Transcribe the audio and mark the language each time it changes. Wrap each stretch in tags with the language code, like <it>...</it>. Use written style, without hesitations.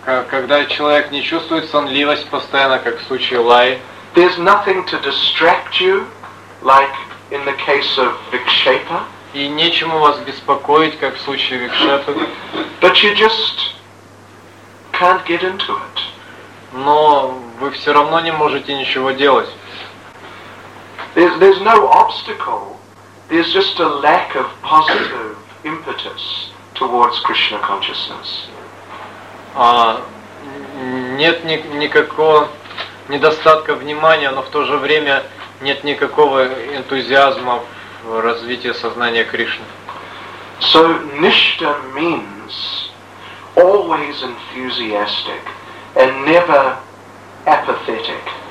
<ru>Когда человек не чувствует сонливость постоянно, как в случае Лаи.</ru> <en>There's nothing to distract you, like in the case of Vikshepa.</en> <ru>И нечему вас беспокоить, как в случае Викшепы.</ru> <en>But you just can't get into it.</en> <ru>Но вы все равно не можете ничего делать.</ru> <en>There's no obstacle. There's just a lack of positive impetus towards Krishna consciousness.</en> <ru>А нет никакого недостатка внимания, но в то же время нет никакого энтузиазма в развитии сознания Кришны.</ru> <en>So nishta means always enthusiastic and never apathetic.</en>